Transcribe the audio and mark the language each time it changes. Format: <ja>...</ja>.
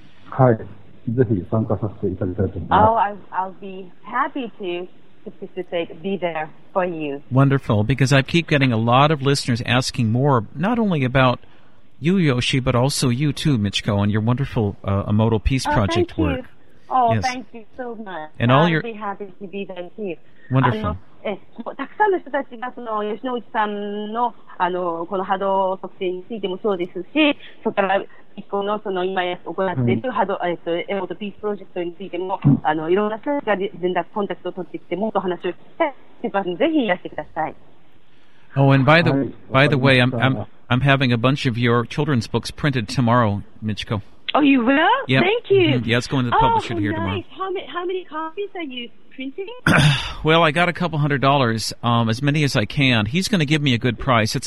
<ja>はい、ぜひ参加させていただきたいと思います。</ja> <en>I'll be happy to. To be there for you. Wonderful, because I keep getting a lot of listeners asking more, not only about you, Yoshi, but also you too, Michiko, and your wonderful Emoto Peace Project thank you. Work. Oh, yes. Thank you so much. And I'll be happy to be there too. Wonderful.</en> <ja>たくさんの人たちがその吉野内さん の, あのこの波動測定についてもそうですし、そこから一個 の, その今行っている波動、エモトピースプロジェクトについても、あのいろんな人たちが連絡、コンタクトを取ってきて、もっと話を聞いて、ぜひいらしてください。</ja> <en>Oh, and by the way, I'm having a bunch of your children's books printed tomorrow, Michiko. Oh, you will? Yep. Thank you. Mm-hmm. Yeah, it's going to the publisher oh, nice. Here tomorrow. How many copies are you printing? Well, I got a couple hundred dollars, as many as I can. He's going to give me a good price.</en>